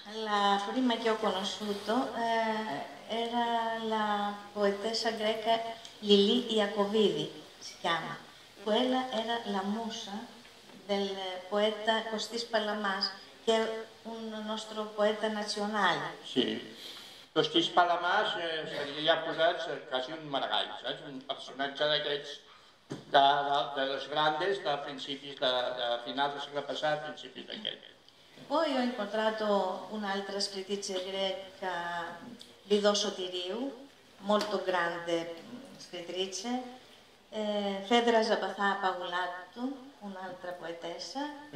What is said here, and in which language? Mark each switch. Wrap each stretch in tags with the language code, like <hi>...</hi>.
<it>La prima che ho conosciuto era la poetessa greca Lili Iacovidi, si chiama. Quella era la musa del poeta Costis Palamas, che è un nostro poeta nazionale.</it> <ca>Sì, Costis Palamas li ha posat quasi un maragall, saps? Un personatge d'aquests, de les grandes, de principis de final del segle passat, principis d'aquest.</ca> <it>Poi ho incontrato un altro scrittrice greca, Lido Sotiriu, molto grande scrittrice, Fedra Zabathà Pagulatu, un'altra poetessa,</it>